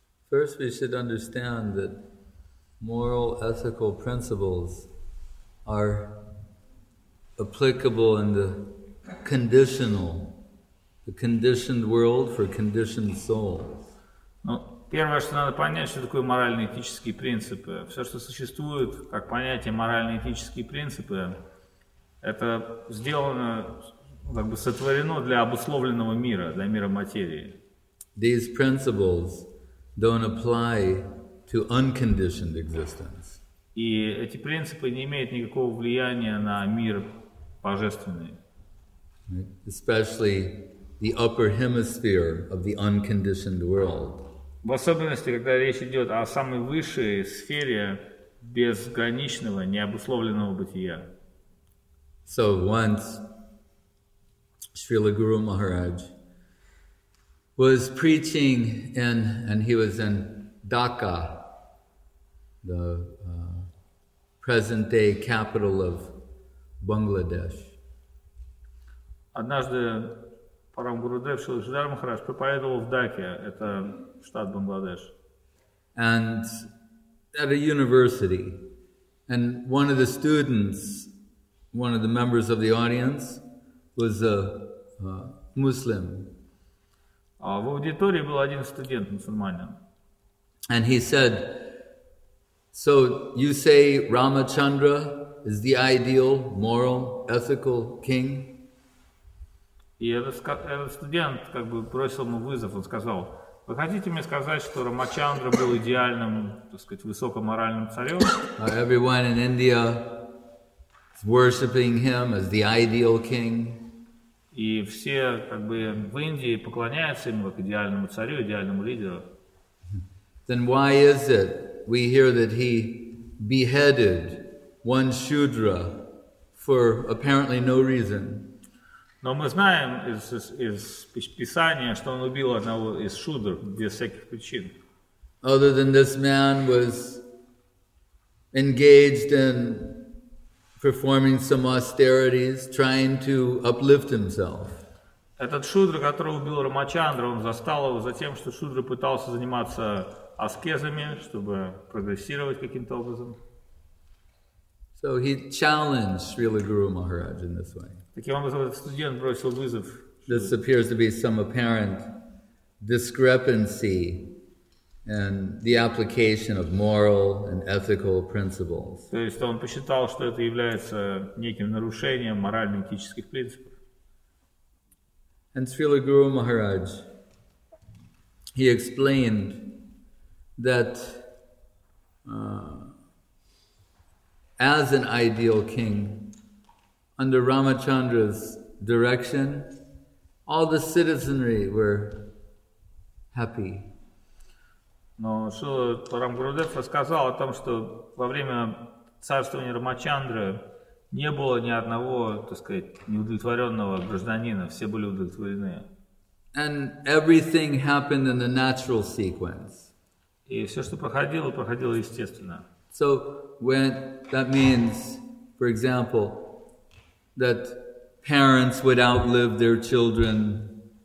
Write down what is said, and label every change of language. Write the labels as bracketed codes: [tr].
[en] First, we should understand that moral ethical principles are applicable in the conditional, the conditioned world for conditioned souls. [ru] Ну, первое, что надо понять, что такое морально-этические принципы. Все, что существует как понятие морально-этические принципы, это сделано, как бы сотворено для обусловленного мира, для мира материи. [en] These principles don't apply to unconditioned existence. [ru] И эти принципы не имеют никакого влияния на мир божественный. [en] Especially the upper hemisphere of the unconditioned world. [ru] В особенности, когда речь идет о самой высшей сфере безграничного, необусловленного бытия. [en] So once Srila Guru Maharaj was preaching in, and he was in Dhaka, the present-day capital of Bangladesh. [ru] Однажды Парамгурудев Шридхар Махарадж проповедовал в Даке, это штат Бангладеш. [en] And at a university, and one of the students, one of the members of the audience, was a Muslim. [ru] В аудитории был один студент мусульманин. [en] And he said, so you say Ramachandra is the ideal, moral, ethical king? [ru] И этот студент как бы бросил ему вызов. Он сказал, вы хотите мне сказать, что Рамачандра был идеальным, так сказать, высокоморальным царем? [en] Everyone in India is worshiping him as the ideal king. [ru] И все как бы в Индии поклоняются ему как идеальному царю, идеальному лидеру. [en] Then why is it we hear that he beheaded one Shudra for apparently no reason? [ru] Но мы знаем из Писания, что он убил одного из Шудр без всяких причин. [en] Other than this man was engaged in performing some austerities, trying to uplift himself. [ru] Этот Шудра, которого убил Рамачандра, он застал его за тем, что Шудра пытался заниматься аскезами, чтобы прогрессировать каким-то образом. [en] So he challenged Srila Guru Maharaj in this way. [ru] Таким образом, этот студент бросил вызов. [en] This appears to be some apparent discrepancy in the application of moral and ethical principles. [ru] То есть он посчитал, что это является неким нарушением морально-этических принципов. [en] And Srila Guru Maharaj, he explained that as an ideal king, under Ramachandra's direction, all the citizenry were happy. [ru] Но Шрила Парамгурудев рассказал о том, что во время царствования Рамачандры не было ни одного, так сказать, неудовлетворенного гражданина. Все были удовлетворены. [en] And everything happened in the natural sequence. [ru] И все, что проходило, проходило естественно. [en] So when that means, for example, that parents would outlive their children.